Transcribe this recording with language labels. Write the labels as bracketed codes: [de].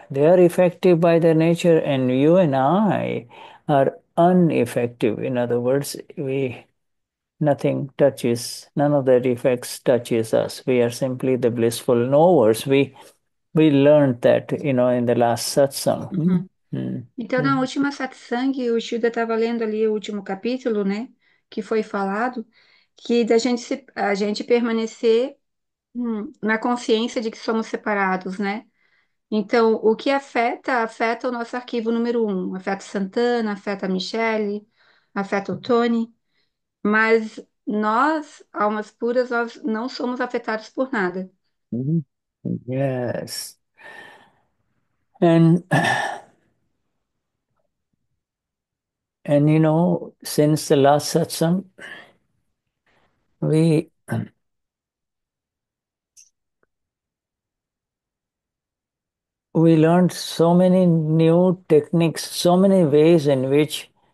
[en] They are effective by their nature, and you and I are ineffective. In other words, none of that effects touches us. We are simply the blissful knowers. We learned that, you know, in the last satsang. [pt] Então, na última satsang, o Shuddha estava lendo ali o último capítulo, né, que foi falado, que a gente permanecer na consciência de que somos separados, né? Então, o que afeta o nosso arquivo número 1, afeta Santana, afeta Michele, afeta o Tony, mas nós, almas puras, nós não somos afetados por nada. [en] Yes. And you know, since the last satsang, we learned so many new techniques, so many ways in which